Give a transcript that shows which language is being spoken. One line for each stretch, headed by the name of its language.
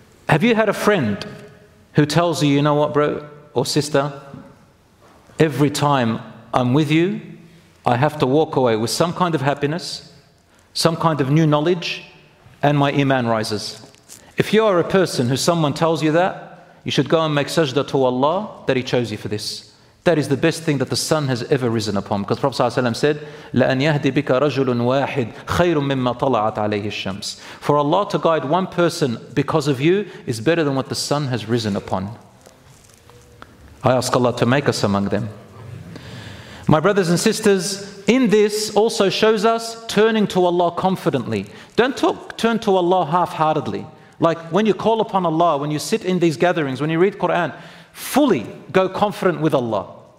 English: Have you had a friend who tells you, you know what, bro or sister, every time I'm with you, I have to walk away with some kind of happiness, some kind of new knowledge, and my iman rises? If you are a person who someone tells you that, you should go and make sajda to Allah that He chose you for this. That is the best thing that the sun has ever risen upon. Because Prophet ﷺ said,
Arabic: لَأَنْ يَهْدِ بِكَ رَجُلٌ وَاحِدٌ خَيْرٌ مِمَّا طَلَعَتْ عَلَيْهِ الشَّمْسِ.
English: For Allah to guide one person because of you is better than what the sun has risen upon. I ask Allah to make us among them. My brothers and sisters, in this also shows us turning to Allah confidently. Don't turn to Allah half-heartedly. Like when you call upon Allah, when you sit in these gatherings, when you read Quran, fully go confident with Allah.